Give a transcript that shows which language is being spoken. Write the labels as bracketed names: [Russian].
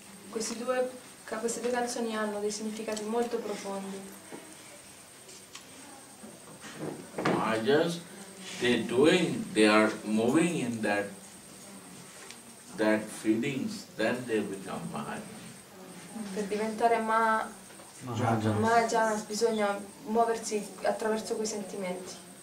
[Italian] Queste due canzoni hanno dei significati molto profondi. [English] Mahajas, they are moving in that feelings, then they become Mahajas. [Italian] Per diventare Mahajana bisogna muoversi attraverso quei sentimenti.